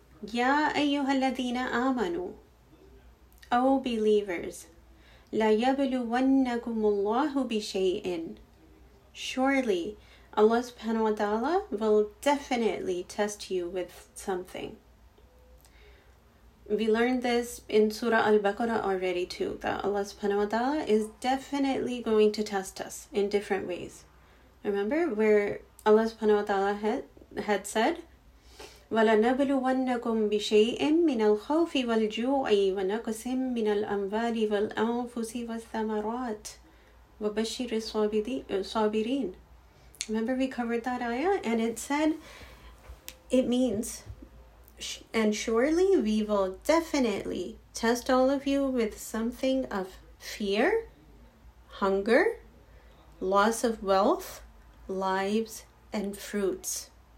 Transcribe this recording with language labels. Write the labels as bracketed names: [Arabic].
[Arabic] Ya ayyuhalladhina amanu, [English] O believers, [Arabic] la yabluwannakumullahu bishay'in, [English] surely Allah subhanahu wa ta'ala will definitely test you with something. We learned this in Surah Al-Baqarah already too, that Allah subhanahu wa ta'ala is definitely going to test us in different ways. Remember where Allah subhanahu wa ta'ala had said, [Arabic] وَلَنَبْلُوَنَّكُمْ بِشَيْءٍ مِّنَ الْخَوْفِ وَالْجُوعِ وَنَقْسِمْ مِّنَ الْأَمْوَالِ وَالْأَنفُسِ وَالثَّمَرَاتِ وَبَشِّرِ الصَّابِرِينَ. [English] Remember we covered that ayah and it said, it means, and surely we will definitely test all of you with something of fear, hunger, loss of wealth, lives, and fruits.